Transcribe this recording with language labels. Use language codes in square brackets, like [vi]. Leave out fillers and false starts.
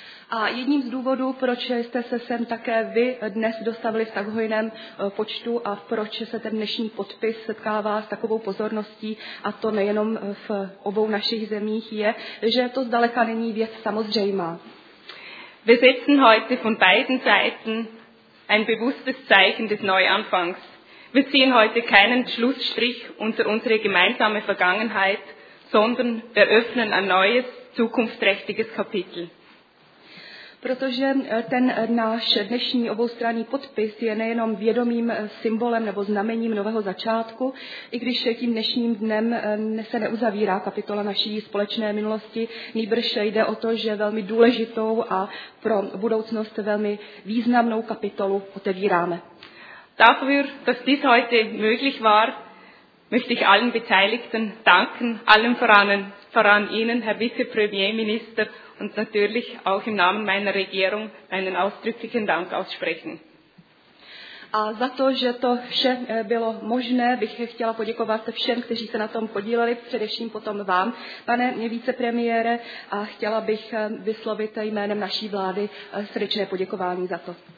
[cs] A jedním z důvodů, proč jste se sem také vy dnes dostavili v tak hojném počtu a proč se ten dnešní podpis setkává s takovou pozorností, a to nejenom v obou našich zemích, je, že to zdaleka není věc samozřejmá. [de] Wir setzen heute von beiden Seiten ein bewusstes Zeichen des Neuanfangs. Wir ziehen heute keinen Schlussstrich unter unsere gemeinsame Vergangenheit, sondern wir öffnen ein neues, zukunftsträchtiges Kapitel. [cs] Protože ten náš dnešní oboustranný podpis je nejenom vědomým symbolem nebo znamením nového začátku, i když tím dnešním dnem se neuzavírá kapitola naší společné minulosti, nýbrž jde o to, že velmi důležitou a pro budoucnost velmi významnou kapitolu otevíráme. [de] Dafür, dass dies heute möglich war, möchte ich allen Beteiligten danken, allen voran voran Ihnen, Herr Vizepremierminister, und natürlich auch im Namen meiner Regierung einen ausdrücklichen Dank aussprechen. [cs] A za to, že to vše bylo možné, bych chtěla poděkovat všem, kteří se na tom podíleli, především potom vám, pane vicepremiére, a chtěla bych vyslovit jménem naší vlády srdečné poděkování za to.